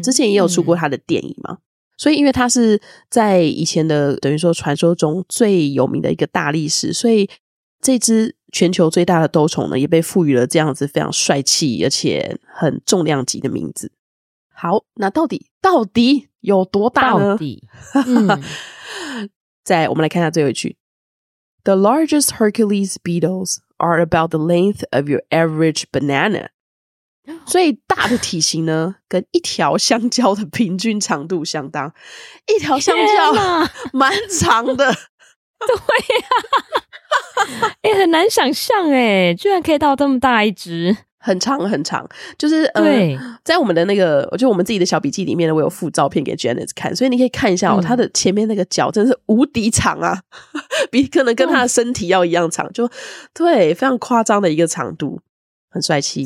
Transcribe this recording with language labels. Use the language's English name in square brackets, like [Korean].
[Chinese] 之前也有出过他的电影嘛。所以因为他是在以前的等于说传说中最有名的一个大力士，所以这只全球最大的兜虫呢也被赋予了这样子非常帅气而且很重量级的名字。好，那到底有多大呢？到底再我们来看一下最后一句。 [English] The largest Hercules beetles are about the length of your average banana。 [Chinese] 最大的体型呢跟一条香蕉的平均长度相当。一条香蕉蛮长的。对呀，很难想象耶，居然可以到这么大一只。很长很长，就是在我们的那个就我们自己的小笔记里面呢，我有附照片给 Janet 看，所以你可以看一下哦，他的前面那个脚真的是无敌长啊，比可能跟他的身体要一样长，就对，非常夸张的一个长度，很帅气，